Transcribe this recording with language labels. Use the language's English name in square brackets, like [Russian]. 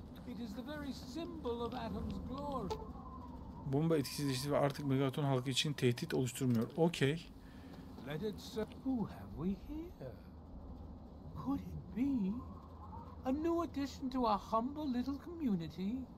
[English] It is the very symbol of Adam's glory. [Turkish] Bomba etkisizleşti ve artık Megaton halkı için tehdit oluşturmuyor. Okey. [English] Let it set. Who have we here? Could it be a new addition to our humble little community?